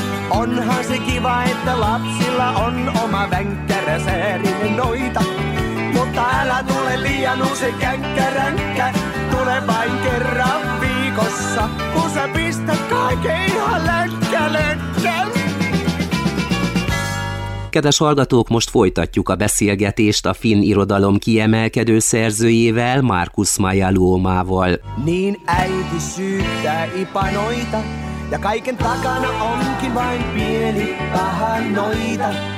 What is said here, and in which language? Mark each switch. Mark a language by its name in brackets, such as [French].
[Finnish] Onhan se kiva, että lapsilla on oma vänkkärä säärinen noita. Mutta älä tule liian usein känkkäränkkä, tule vain kerran viikossa, kun sä pistät kaiken ihan länkkä, länkkä. [Hungarian] Kedves hallgatók, most folytatjuk a beszélgetést a finn irodalom kiemelkedő szerzőjével, Markus Maja Luomával. [Finnish] Niin äiti syyttää ipanoita, ja kaiken takana onkin vain pieni paha noita.